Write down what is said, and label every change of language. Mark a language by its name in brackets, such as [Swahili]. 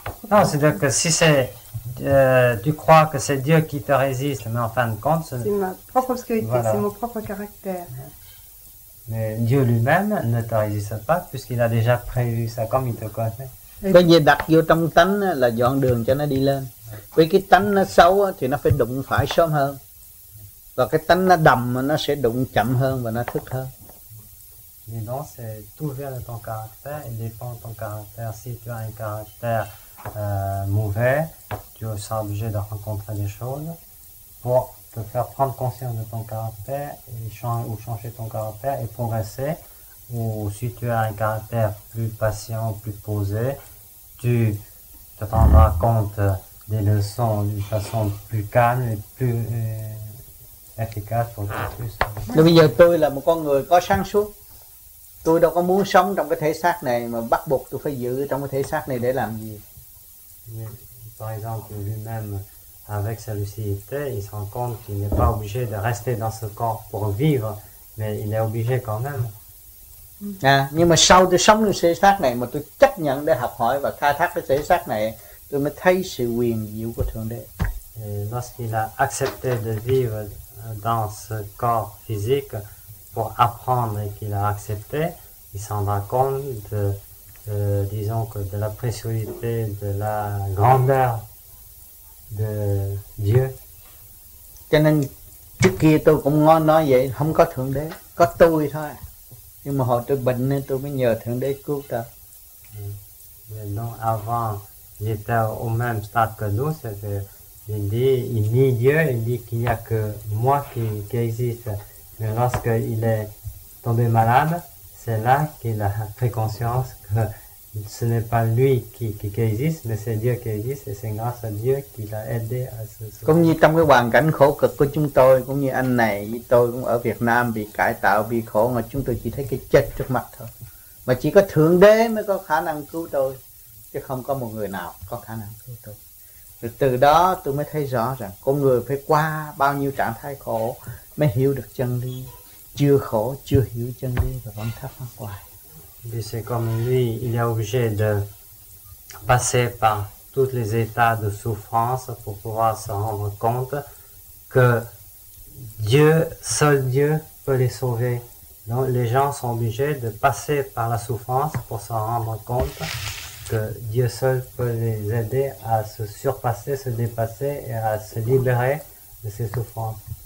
[French] Non, c'est-à-dire que si c'est. Tu crois que c'est Dieu qui te résiste, mais en fin de compte. C'est ma propre obscurité, voilà. C'est mon propre caractère. Mais Dieu lui-même ne te résiste pas, puisqu'il a déjà prévu ça comme il te connaît. Quand il est d'accord, il est en train de faire la journée, il est en train de faire la journée. [Vietnamese] Vì cái tánh nó xấu thì nó phải đụng phải sớm hơn, và cái tánh nó đầm nó sẽ đụng chậm hơn và nó thức hơn. [French] Mais non, c'est tout vient de ton caractère, il dépend de ton caractère. Si tu as un caractère mauvais, tu seras obligé de rencontrer des choses pour te faire prendre conscience de ton caractère et changer ton caractère et progresser. Ou si tu as un caractère plus patient, plus posé, tu te rendras compte des leçons d'une façon plus calme et plus efficace pour le plus. [Vietnamese] Mais bây giờ tôi là một con người có sáng suốt. Tôi đâu có muốn sống trong cái thể xác này mà bắt buộc tôi phải giữ trong cái thể xác này để làm gì. [French] Par exemple, lui-même, avec sa lucidité, il se rend compte qu'il n'est pas obligé de rester dans ce corps pour vivre, mais il est obligé quand même. [Vietnamese] À, nhưng mà sau tôi sống trong thể xác này mà tôi chấp nhận để học hỏi và khai thác cái thể xác này, tôi mới thấy sự quyền diệu của Thượng Đế. [French] Lorsqu'il a accepté de vivre dans ce corps physique, pour apprendre et qu'il a accepté, il s'en rend compte de la précieuseté, de la grandeur de Dieu. [Vietnamese] Cho nên trước kia tôi cũng nói vậy, không có Thượng Đế, có tôi thôi. Nhưng mà hồi tôi bệnh nên tôi mới nhờ Thượng Đế cứu tôi. [French] Donc avant, il était au même stade que nous, c'est-à-dire il nie Dieu, il dit qu'il n'y a que moi qui existe. Mais lorsqu'il est tombé malade, c'est là qu'il a pris conscience que ce n'est pas lui qui existe, mais c'est Dieu qui existe, et c'est grâce à Dieu qu'il a aidé à ce sujet. [Vietnamese] Cũng như trong cái hoàn cảnh khổ cực của chúng tôi, cũng như anh này, tôi cũng ở Việt Nam bị cải tạo, bị khổ, mà chúng tôi chỉ thấy cái chết trước mặt thôi. Mà chỉ có Thượng Đế mới có khả năng cứu tôi, chứ không có một người nào có khả năng cứu tôi. Rồi từ đó tôi mới thấy rõ rằng con người phải qua bao nhiêu trạng thái khổ mới hiểu được chân lý, chưa khổ chưa hiểu chân lý và vẫn thắc mắc hoài. [French] C'est comme lui, il est obligé de passer par toutes les états de souffrance pour pouvoir se rendre compte que Dieu, seul Dieu peut les sauver. Donc les gens sont obligés de passer par la souffrance pour se rendre compte que Dieu seul peut les aider à se surpasser, se dépasser et à se libérer de ces souffrances.